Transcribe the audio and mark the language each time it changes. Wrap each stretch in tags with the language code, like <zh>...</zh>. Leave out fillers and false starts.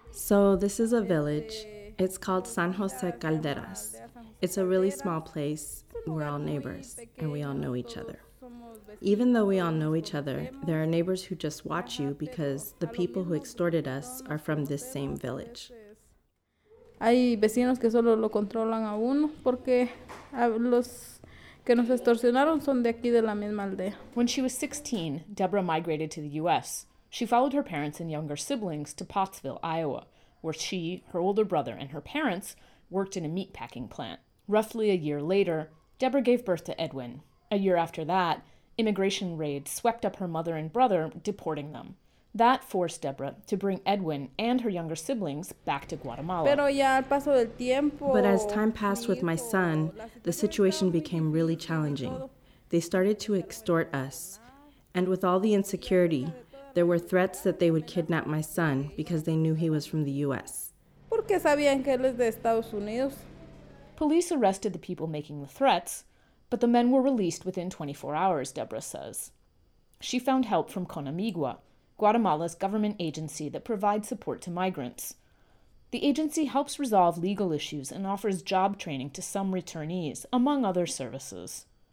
<en>So this is a village. It's called San Jose Calderas. It's a really small place. We're all neighbors, and we all know each other. Even though we all know each other, there are neighbors who just watch you because the people who extorted us are from this same village.</en> <es>Hay vecinos que solo lo controlan a uno porque los que nos extorsionaron son de aquí de la misma aldea.</es> <en>When she was 16, Deborah migrated to the U.S. She followed her parents and younger siblings to Pottsville, Iowa, where she, her older brother, and her parents worked in a meatpacking plant. Roughly a year later, Deborah gave birth to Edwin. A year after that, immigration raids swept up her mother and brother, deporting them. That forced Deborah to bring Edwin and her younger siblings back to Guatemala.</en> <es>Pero ya al paso del tiempo,</es> <en>but as time passed with my son, the situation became really challenging. They started to extort us. And with all the insecurity, there were threats that they would kidnap my son because they knew he was from the U.S.</en> <es>Porque sabían que él es de Estados Unidos.</es> <en>Police arrested the people making the threats, but the men were released within 24 hours, Deborah says. She found help from CONAMIGUA, Guatemala's government agency that provides support to migrants. The agency helps resolve legal issues and offers job training to some returnees, among other services.</en>